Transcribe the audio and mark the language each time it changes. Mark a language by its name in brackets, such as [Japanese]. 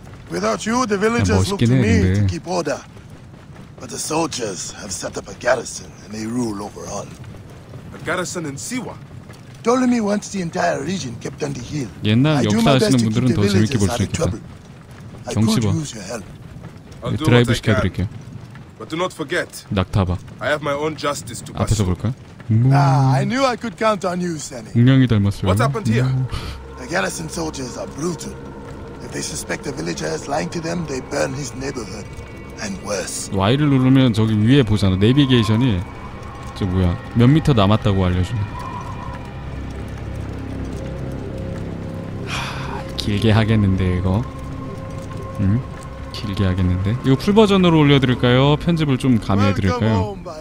[English] Without you, the villagers look to me to keep order. But the soldiers have set up a garrison and they rule over all. A garrison in Siwa. Ptolemy wants the entire region kept under heel. [Korean] 옛날 역사하시는 분들은 더 재밌게 볼 수 있겠다. 경치봐. 드라이브 시켜드릴게요. [English] But do not forget. [Korean] 낙타봐. [English] I have my own justice to. [Korean] 앞에서 볼까? [English] I knew I could count on you, Senny. [Korean] 운명이 닮았어요. [English] What happened here? The garrison soldiers are brutal. If they suspect a villager is lying to them, they burn his neighborhood. And worse. [Korean] Y를 누르면 저기 위에 보잖아. 내비게이션이 저 뭐야 몇 미터 남았다고 알려주네. 길게 하겠는데 이거. 길게 하겠는데. 이거 풀 버전으로 올려드릴까요? 편집을 좀 감해드릴까요?